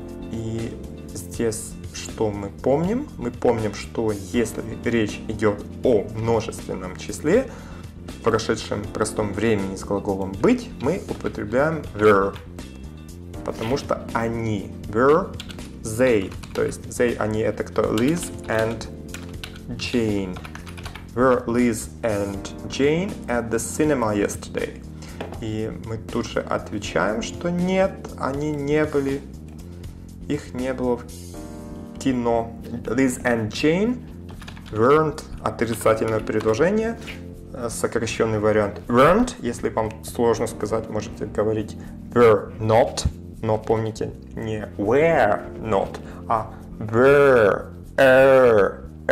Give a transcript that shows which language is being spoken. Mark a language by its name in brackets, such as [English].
[Russian] И здесь что мы помним? Мы помним, что если речь идет о множественном числе, в прошедшем простом времени с глаголом быть, мы употребляем were, потому что они, were, they, то есть they, они это кто? Liz and Jane. [English] Were Liz and Jane at the cinema yesterday? [Russian] И мы тут же отвечаем, что нет, они не были, их не было в кино. [English] Liz and Jane weren't, [Russian] отрицательное предложение, сокращенный вариант weren't. Если вам сложно сказать, можете говорить were not, но помните, не were not, а were, er.